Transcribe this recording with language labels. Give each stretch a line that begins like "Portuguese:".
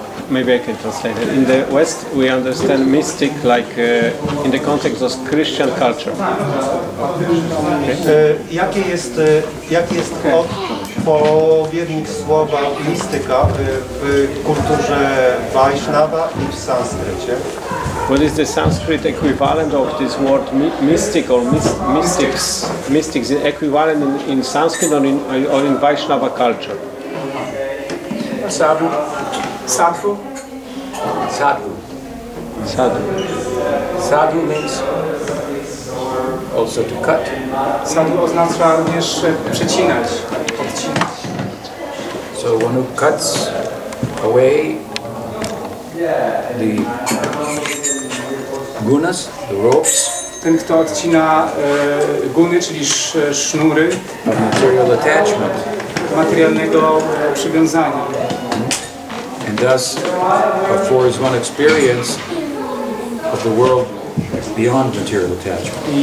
English: Maybe I can translate it. In the West, we understand mystic like in the context of Christian culture.
Polish: Jaki jest odpowiednik słowa mistyka w kulturze Vaishnava i w Sanskrycie?
English: What is the Sanskrit equivalent of this word mystic or mystics? Mystics is equivalent in Sanskrit or in Vaishnava culture? Sadhu. Sadhu. Sadhu. Sadhu means also to cut.
Polish: Sadhu oznacza również przecinać, odcinać.
English: So one who cuts away the gunas, the ropes.
Polish: Ten, kto odcina guny, czyli sznury.
English: Of material attachment.
Polish: Materialnego przywiązania.
English: Thus affords one experience of the world beyond material attachment.